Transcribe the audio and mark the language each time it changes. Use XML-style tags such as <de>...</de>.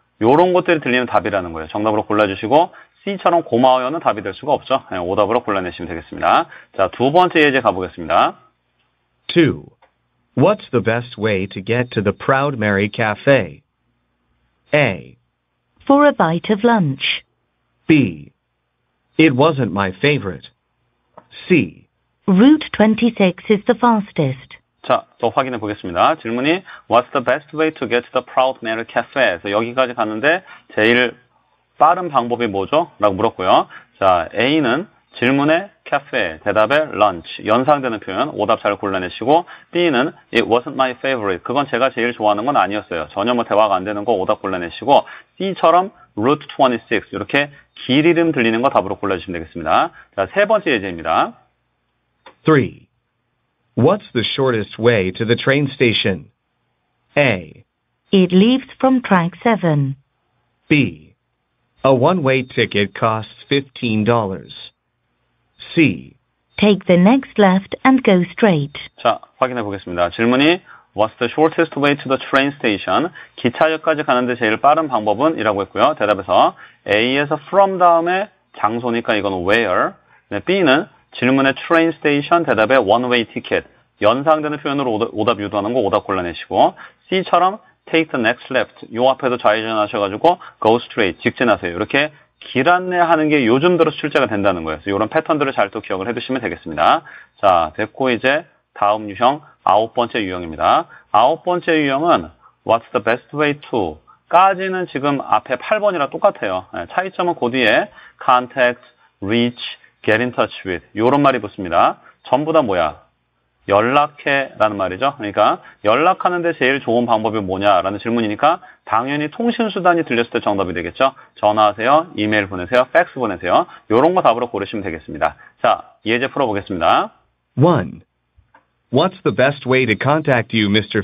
<ko>요런 것들이 들리는 답이라는 거예요. 정답으로 골라주시고 C처럼 고마워요는 답이 될 수가 없죠. 네, 오답으로 골라내시면 되겠습니다. 자, 두 번째 예제 가보겠습니다.</ko> <en>2. What's the best way to get to the Proud Mary Cafe? A. For a bite of lunch. B. It wasn't my favorite. C. Route 26 is the fastest.</en> <ko>자, 또 확인해 보겠습니다. 질문이</ko> <en>What's the best way to get to the Proud Mary Cafe?</en> <ko>그래서 여기까지 갔는데 제일 빠른 방법이 뭐죠? 라고 물었고요. 자, A는 질문에 카페, 대답에 lunch, 연상되는 표현, 오답 잘 골라내시고 B는</ko> <en>it wasn't my favorite,</en> <ko>그건 제가 제일 좋아하는 건 아니었어요. 전혀 뭐 대화가 안 되는 거 오답 골라내시고 C처럼 route 26, 이렇게 길 이름 들리는 거 답으로 골라주시면 되겠습니다. 자, 세 번째 예제입니다.</ko> <en>3. What's the shortest way to the train station? A. It leaves from track 7. B. A one-way ticket costs $15. C. Take the next left and go straight.</en> <ko>자, 확인해 보겠습니다. 질문이</ko> <en>What's the shortest way to the train station?</en> <ko>기차역까지 가는데 제일 빠른 방법은? 이라고 했고요. 대답에서 A에서 from 다음에 장소니까 이건 where. B는 질문에 train station, 대답에 one-way ticket. 연상되는 표현으로 오답 유도하는 거 오답 골라내시고 C처럼</ko> <en>Take the next left.</en> <ko>요 앞에도 좌회전 하셔가지고</ko> <en>go straight.</en> <ko>직진하세요. 이렇게 길 안내하는 게 요즘 들어서 출제가 된다는 거예요. 그래서 이런 패턴들을 잘 또 기억을 해두시면 되겠습니다. 자, 됐고 이제 다음 유형, 아홉 번째 유형입니다. 아홉 번째 유형은</ko> <en>What's the best way to?</en> <ko>까지는 지금 앞에 8번이랑 똑같아요. 차이점은 그 뒤에 contact, reach,</ko> <en>get in touch with</en> <ko>이런 말이 붙습니다. 전부 다 뭐야? 연락해 라는 말이죠. 그러니까 연락하는데 제일 좋은 방법이 뭐냐라는 질문이니까 당연히 통신수단이 들렸을 때 정답이 되겠죠. 전화하세요. 이메일 보내세요. 팩스 보내세요. 이런 거 답으로 고르시면 되겠습니다. 자, 예제 풀어보겠습니다.</ko> <en>1. What's the best way to contact you, Mr.</en>